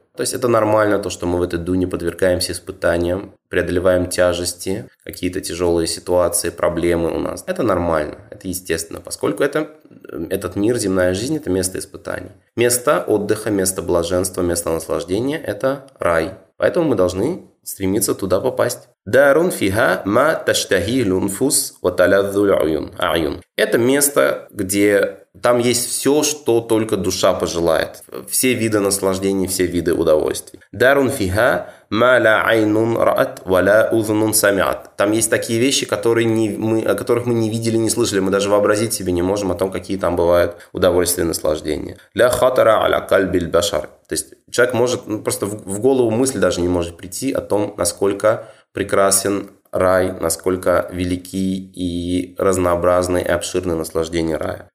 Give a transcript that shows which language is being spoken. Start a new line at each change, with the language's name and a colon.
Russian: То есть это нормально, то, что мы в этой дуне подвергаемся испытаниям, преодолеваем тяжести, какие-то тяжелые ситуации, проблемы у нас. Это нормально, это естественно, поскольку этот мир, земная жизнь – это место испытаний. Место отдыха, место блаженства, место наслаждения – это рай. Поэтому мы должны стремиться туда попасть.
Arabic: دار فيها ما تشتهيه النفوس وتلذ العيون أعين.
Russian: Это место, где там есть все, что только душа пожелает. Все виды наслаждений, все виды удовольствий.
Arabic: دار فيها ما لا عين رأت ولا أذن سمعت.
Russian: Там есть такие вещи, о которых мы не видели, не слышали. Мы даже вообразить себе не можем о том, какие там бывают удовольствия и наслаждения.
Arabic: لا خطر على قلب البشر.
Russian: То есть человек может, ну, просто в голову мысль даже не может прийти о том, насколько прекрасен рай, насколько велики и разнообразны и обширны наслаждения рая.